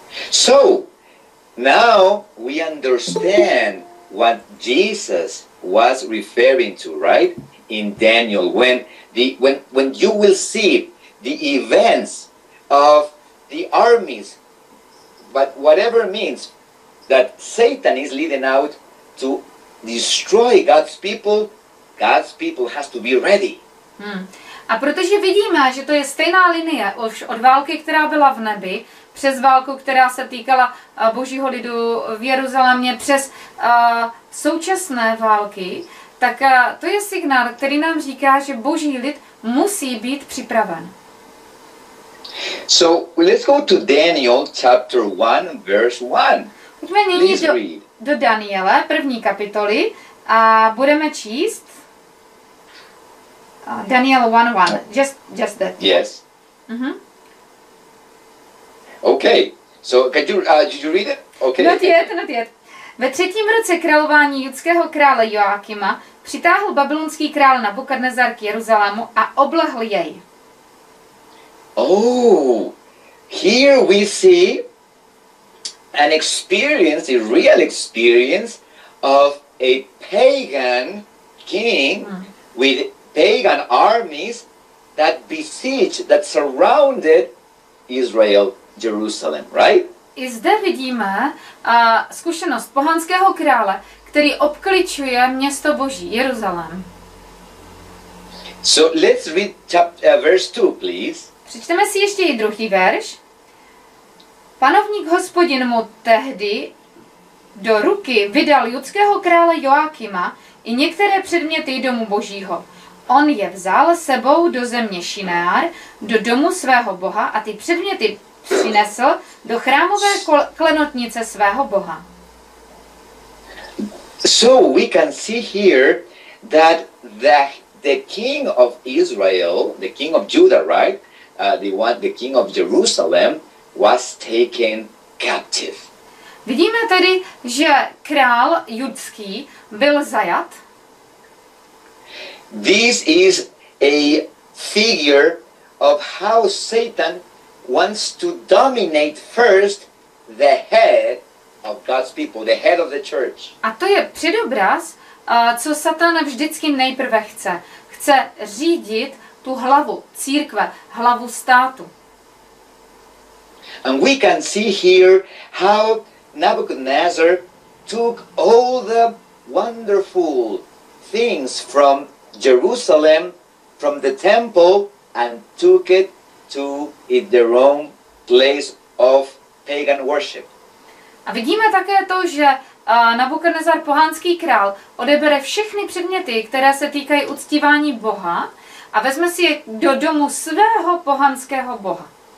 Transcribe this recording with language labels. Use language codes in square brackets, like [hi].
[en] So, now we understand what Jesus was referring to, right? In Daniel, when you will see the events of the armies, but whatever means that Satan is leading out to destroy God's people has to be ready. Hmm. [cs] A protože vidíme, že to je stejná linie už od války, která byla v nebi, přes válku, která se týkala Božího lidu v Jeruzalémě, přes současné války, tak to je signál, který nám říká, že Boží lid musí být připraven. [en] So let's go to Daniel chapter 1 verse 1. [cs] Pojďme nyní do Daniele, první kapitoly, a budeme číst Daniel 1:1. [en] Just that. Yes. Mm-hmm. Okay. So did you read it? Okay. Not yet. [cs] Ve třetím roce králování judského krále Joákima přitáhl babylonský král Nabukadnezar k Jeruzalému a oblehl jej. [en] Oh, here we see an experience, a real experience of a pagan king with pagan armies that besieged, that surrounded Israel, Jerusalem, right? [cs] I zde vidíme zkušenost pohanského krále, který obkličuje město Boží, Jeruzalém. [en] So let's read chapter, verse 2, please. [cs] Přečteme si ještě i druhý verš. Panovník Hospodin mu tehdy do ruky vydal judského krále Joákima i některé předměty domu Božího. On je vzal sebou do země Šinear, do domu svého boha a ty předměty přinesl do chrámové klenotnice svého boha. [en] So we can see here that the king of Israel, the king of Judah, right? The king of Jerusalem was taken captive. [cs] Vidíme tady, že král judský byl zajat. [en] This is a figure of how Satan wants to dominate first the head of God's people, the head of the church. [cs] A to je předobraz, co Satan vždycky nejprve chce. Chce řídit tu hlavu církve, hlavu státu. [en] And we can see here how Nebuchadnezzar took all the wonderful things from Jerusalem, from the temple, and took it to their own place of pagan worship. [cs] A vidíme také to, že Nebuchadnezzar, pohanský král, odebere všechny předměty, které se týkají uctívání Boha, a vezme si je do domu svého pohanského boha.